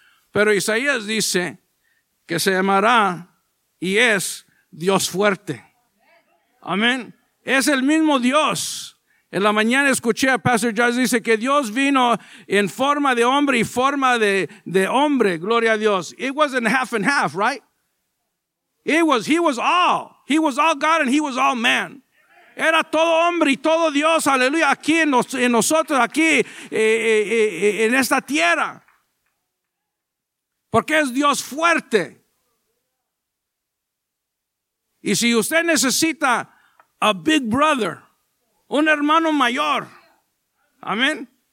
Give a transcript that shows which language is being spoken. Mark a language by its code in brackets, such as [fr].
[es] Pero Isaías dice que se llamará y es Dios fuerte. Amén. Es el mismo Dios. En la mañana escuché a Pastor Josh, dice que Dios vino en forma de hombre y forma de hombre. Gloria a Dios. [en] It wasn't half and half, right? He was all God and he was all man. [es] Era todo hombre y todo Dios, aleluya, aquí en nosotros, aquí en esta tierra. Porque es Dios fuerte. Y si usted necesita [en] a big brother, [es] un hermano mayor, amén.